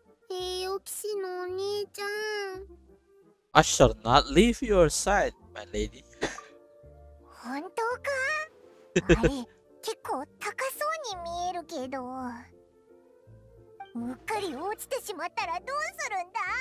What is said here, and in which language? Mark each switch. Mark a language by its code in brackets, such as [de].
[ja] 栄誉騎士のお兄ちゃん。 [en] I shall not leave your side, my lady. [ja] 本当か？あれ、結構高そうに見えるけど。うっかり落ちてしまったらどうするんだ？